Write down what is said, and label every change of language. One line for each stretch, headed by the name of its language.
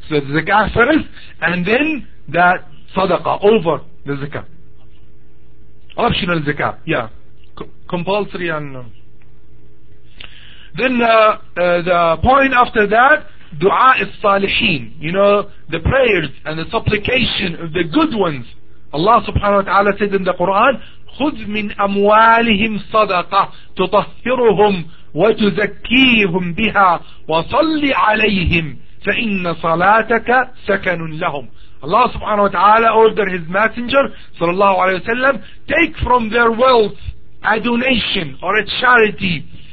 English: So the zakah first, and then the sadaqah over the zakah. Optional zakah, yeah. Compulsory and... Then the point after that, Dua al-Salihin, you know, the prayers and the supplication of the good ones. Allah subhanahu wa ta'ala said in the Quran,
Arabic: خُذْ مِنْ أَمْوَالِهِمْ صَدَقَةً تُطَهِّرُهُمْ وَتُزَكِّيهُمْ بِهَا وَصَلِّ عَلَيْهِمْ فَإِنَّ صَلَاتَكَ سَكَنٌ لَهُمْ.
English: Allah subhanahu wa ta'ala ordered His Messenger sallallahu alayhi wa sallam, take from their wealth a donation or a charity.